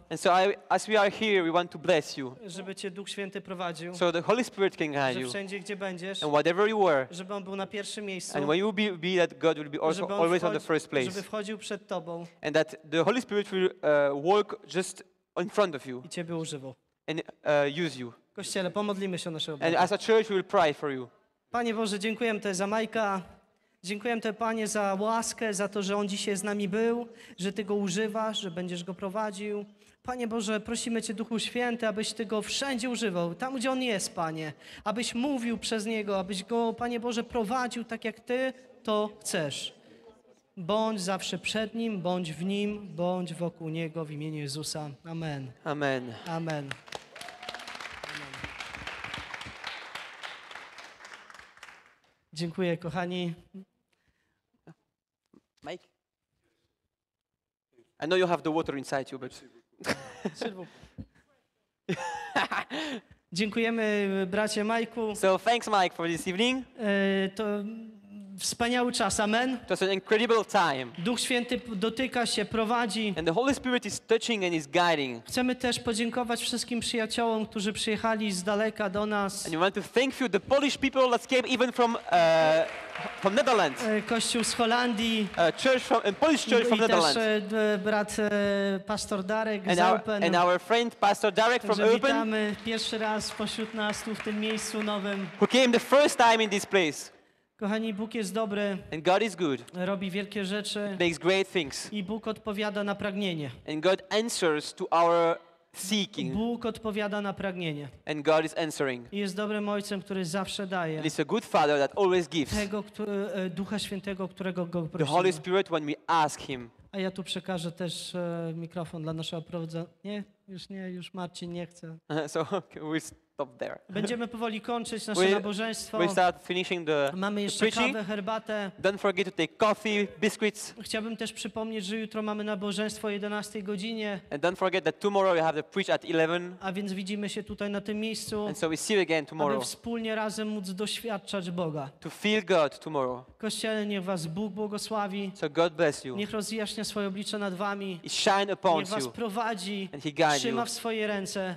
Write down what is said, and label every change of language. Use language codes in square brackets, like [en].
[en] And so I, as we are here, we want to bless you. [pl] Żeby cię Duch Święty prowadził. [en] So the Holy Spirit can guide you. [pl] Wszędzie gdzie będziesz. [en] And whatever you were. [pl] Żeby on był na pierwszym miejscu. [en] And where you be that God will be also always on the first place. [pl] Żeby wchodził przed tobą. [en] And that the Holy Spirit will walk just in front of you. [pl] I ciebie używał. [en] And use you. [pl] Kościele, pomodlimy się o naszego Boga. [en] And as a church we will pray for you. [pl] Panie Boże, dziękujemy Ci za Majka. Dziękujemy Tobie, Panie, za łaskę, za to, że On dzisiaj z nami był, że Ty Go używasz, że będziesz Go prowadził. Panie Boże, prosimy Cię, Duchu Święty, abyś Ty Go wszędzie używał, tam, gdzie On jest, Panie. Abyś mówił przez Niego, abyś Go, Panie Boże, prowadził tak, jak Ty to chcesz. Bądź zawsze przed Nim, bądź w Nim, bądź wokół Niego w imieniu Jezusa. Amen. Amen. Amen. Dziękuję, kochani. Mike? [en] I know you have the water inside you, but... [pl] Dziękujemy, bracie Mike'u. [en] So thanks, Mike, for this evening. [pl] To wspaniały czas, amen. [en] It was an incredible time. [pl] Duch Święty dotyka się, prowadzi. [en] And the Holy Spirit is touching and is guiding. [pl] Chcemy też podziękować wszystkim przyjaciołom, którzy przyjechali z daleka do nas. [en] And we want to thank you, the Polish people that came even from Netherlands. [pl] Kościół z Holandii. [en] Polish church from Netherlands. [pl] I też brat pastor Darek z Alpen. [en] And our friend pastor Darek from Alpen. [pl] Witamy pierwszy raz pośród nas tu w tym miejscu nowym. [en] Who came the first time in this place. [pl] Kochani, Bóg jest dobry. [en] And God is good. [pl] Robi wielkie rzeczy. [en] Makes great things. [pl] I Bóg odpowiada na pragnienie. [en] And God answers to our seeking. [pl] Bóg odpowiada na pragnienie. [en] And God is answering. [pl] I jest dobrym Ojcem, który zawsze daje. [en] And he's a good father that always gives. [pl] Tego, Ducha Świętego, którego go prosimy. [en] The Holy Spirit when we ask him. [pl] A ja tu przekażę też mikrofon dla naszego prowadzącego. Nie, już nie, już Marcin nie chce. [en] So okay, we stop there. [pl] Będziemy powoli kończyć nasze nabożeństwo. [en] We start finishing the preaching. [pl] Mamy jeszcze kawę, herbatę. [en] Don't forget to take coffee, biscuits. [pl] Chciałbym też przypomnieć, że jutro mamy nabożeństwo o 11 godzinie. [en] And don't forget that tomorrow we have the preach at 11. [pl] A więc widzimy się tutaj na tym miejscu. [en] And so we see you again tomorrow. [pl] Aby wspólnie razem móc doświadczać Boga. [en] To feel God tomorrow. [pl] Kościele, niech was Bóg błogosławi. [en] So God bless you. [pl] Niech rozjaśnia swoje oblicze nad wami. [en] Shine upon [pl] niech was [en] you. [pl] Prowadzi. [en] And he guide [pl] trzyma [en] you. [pl] W swoje ręce.